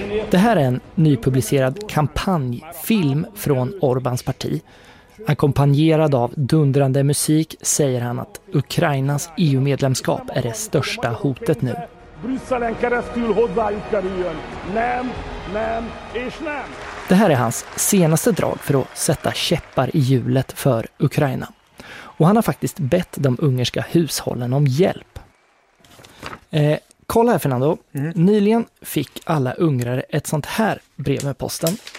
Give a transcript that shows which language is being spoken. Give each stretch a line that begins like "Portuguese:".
Swedish: Det här är en nypublicerad kampanjfilm från Orbáns parti. Ackompanjerad av dundrande musik säger han att Ukrainas EU-medlemskap är det största hotet nu.
Hungarian: Brüsszelen keresztül hozzájuk kerüljön. Nem, nem és nem.
Swedish: Det här är hans senaste drag för att sätta käppar i hjulet för Ukraina. Och han har faktiskt bett de ungerska hushållen om hjälp. Kolla här, Fernando. Mm. Nyligen fick alla ungrare ett sånt här brev med posten.